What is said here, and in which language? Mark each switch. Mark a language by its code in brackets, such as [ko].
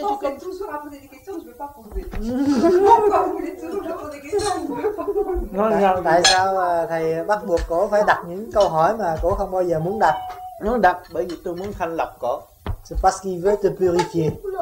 [fr] je vais toujours poser des questions, je ne veux pas poser. Pourquoi vous voulez toujours me poser des questions, je ne veux pas poser. [vi] Non, tại sao thầy bắt buộc cổ phải đặt những câu hỏi mà cổ không bao giờ muốn đặt? Nó đặt bởi vì tôi muốn thanh lọc cổ. [fr] C'est parce qu'il veut te purifier.